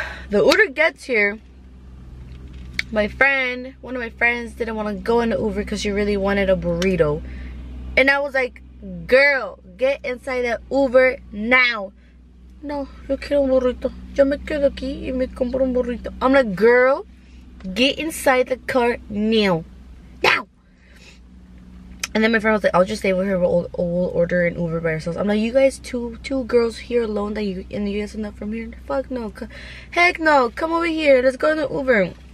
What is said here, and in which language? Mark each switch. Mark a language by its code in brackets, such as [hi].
[en] The Uber gets here. One of my friends didn't want to go in the Uber because she really wanted a burrito. And I was like, girl, get inside that Uber now. [es] No, yo quiero un burrito. Yo me quedo aquí y me compro un burrito. [en] I'm like, girl, get inside the car now. Now! And then my friend was like, I'll just stay with her. We'll order an Uber by ourselves. I'm like, you guys two girls here alone that you and you guys enough from here? Fuck no. Heck no. Come over here. Let's go in the Uber.